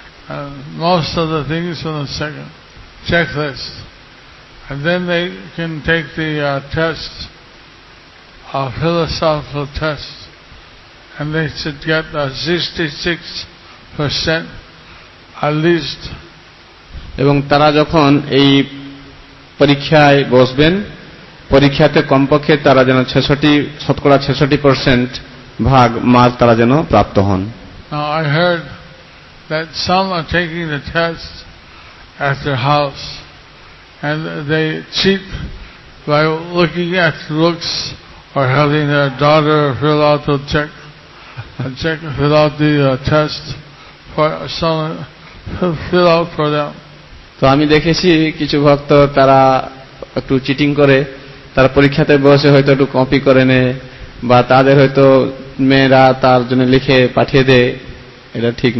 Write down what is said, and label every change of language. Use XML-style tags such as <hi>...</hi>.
<en>most of the things on the second checklist. And then they can take the test, a philosophical test, and they should get 66% at least.</en> <bn>এবং তারা যখন এই পরীক্ষায় বসবেন, পরীক্ষাতে কমপক্ষে তারা যেন ৬৬% ভাগ মার্ক তারা যেন প্রাপ্ত হন।</bn> <en>Now I heard that some are taking the test at their house and they cheat by looking at looks or having their daughter fill out the check, fill out the test for someone, fill out for them.</en> <bn>তো আমি দেখেছি কিছু ভক্ত তারা একটু cheating করে, তারা পরীক্ষাতে বসে হয়তো একটু কপি করে নেয় বা তাদের হয়তো মেয়েরা তার জন্য লিখে পাঠিয়ে দেয়, এটা ঠিক</bn>